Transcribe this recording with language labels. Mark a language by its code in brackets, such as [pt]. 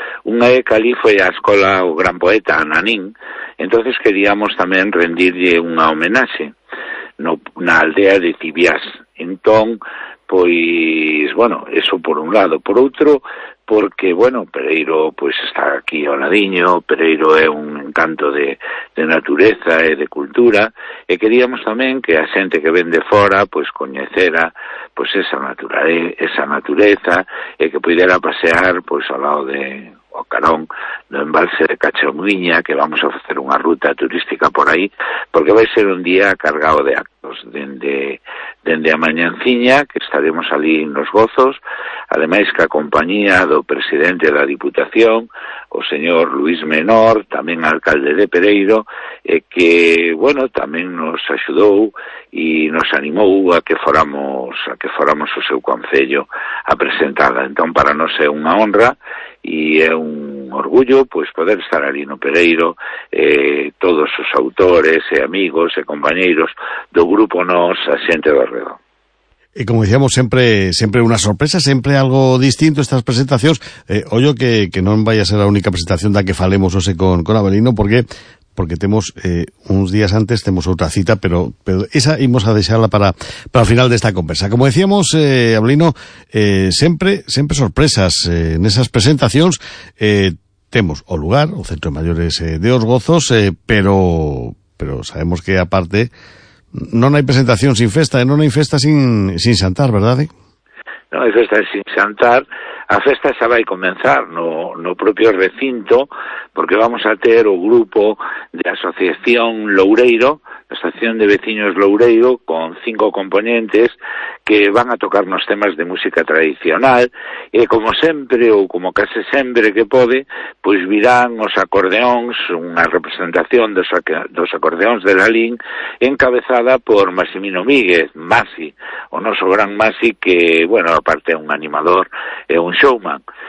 [gl] Unha é que ali foi a escola o gran poeta Nanín, entonces queríamos tamén rendirlle unha homenaxe na aldea de Tibiás. Entón, pois, bueno, eso por un lado. Por outro, porque, bueno, Pereiro pois está aquí ao ladiño, Pereiro é un encanto de natureza e de cultura, e queríamos tamén que a xente que ven de fora pois coñecera pois esa natureza e que pudera pasear pois ao lado de o Carón, no embalse de Cachamuiña, que vamos a facer unha ruta turística por aí, porque vai ser un día cargado de actos dende a mañanciña, que estaremos ali nos Gozos, ademais que a compañía do presidente da Diputación, o señor Luis Menor, tamén alcalde de Pereiro, e que, bueno, tamén nos axudou e nos animou a que foramos o seu concello a presentarla. Entón, para nos é unha honra e é un orgullo pois poder estar ali no Pereiro, todos os autores e amigos e compañeiros do grupo Nos, a xente do arredor. [es] Como decíamos, siempre una sorpresa, siempre algo distinto estas presentaciones. Oyo que no vaya a ser la única presentación [gl] da que falemos [es] o sea, con Avelino, porque tenemos unos días antes tenemos otra cita, pero esa íbamos a desearla para el final de esta conversa. Como decíamos, Avelino, siempre sorpresas en esas presentaciones. Tenemos o lugar, o centro de mayores de Osgozos, pero sabemos que aparte no hay presentación sin festa, no hay festa sin Santar, ¿verdad? No hay festa sin Santar. [gl] A festa xa vai comenzar no propio recinto, porque vamos a ter o grupo de Asociación Loureiro, Asociación de Veciños Loureiro, con 5 componentes que van a tocar nos temas de música tradicional, e como sempre, ou como case sempre que pode, pois virán os acordeóns, unha representación dos acordeóns de Lalín, encabezada por Maximino Míguez, Masi, o noso gran Masi, que, bueno, aparte é un animador, é un showman.